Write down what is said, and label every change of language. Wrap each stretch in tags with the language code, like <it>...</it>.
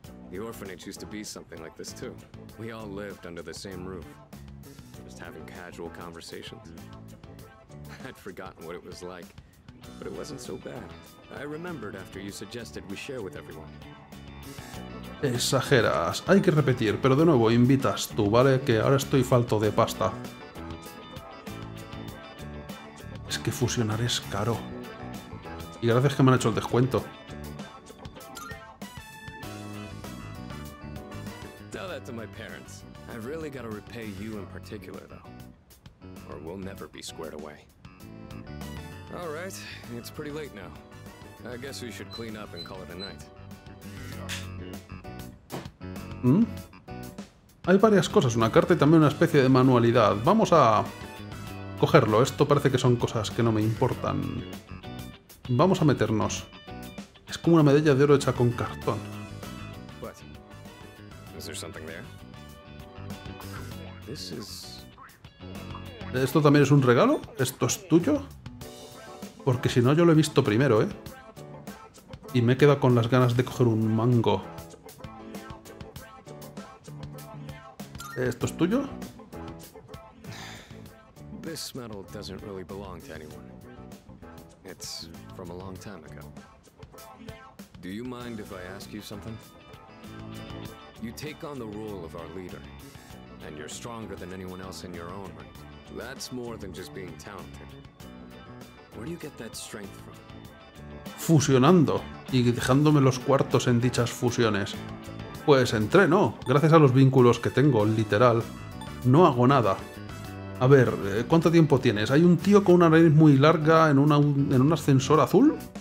<en>The orphanage used to be something like this too. We all lived under the same roof, just having casual conversations. I'd forgotten what it was like, but it wasn't so bad. I remembered after you suggested we share with everyone.</en> <es>Exageras, hay que repetir, pero de nuevo, invitas tú, ¿vale? Que ahora estoy falto de pasta. Es que fusionar es caro. Y gracias que me han hecho el descuento.</es> <en>Tell that to my parents. I really gotta repay you in particular, though. Or we'll never be squared away. All right, it's pretty late now. I guess we should clean up and call it a night. ¿Mm?</en> <es>Hay varias cosas, una carta y también una especie de manualidad. Vamos a cogerlo, esto parece que son cosas que no me importan. Vamos a meternos. Es como una medalla de oro hecha con cartón.</es> <en>What? Is there something there? This is...</en> <es>¿Esto también es un regalo? ¿Esto es tuyo? Porque si no, yo lo he visto primero, ¿eh? Y me he quedado con las ganas de coger un mango. ¿Esto es tuyo?</es> <en>This metal doesn't really belong to anyone. It's from a long time ago. Do you mind if I ask you something? You take on the role of our leader, and you're stronger than anyone else in your own right. That's more than just being talented. Where do you get that strength from?</en> <es>Fusionando y dejándome los cuartos en dichas fusiones. Pues entreno, gracias a los vínculos que tengo, literal. No hago nada. A ver, ¿cuánto tiempo tienes? ¿Hay un tío con una nariz muy larga en un ascensor azul?</es>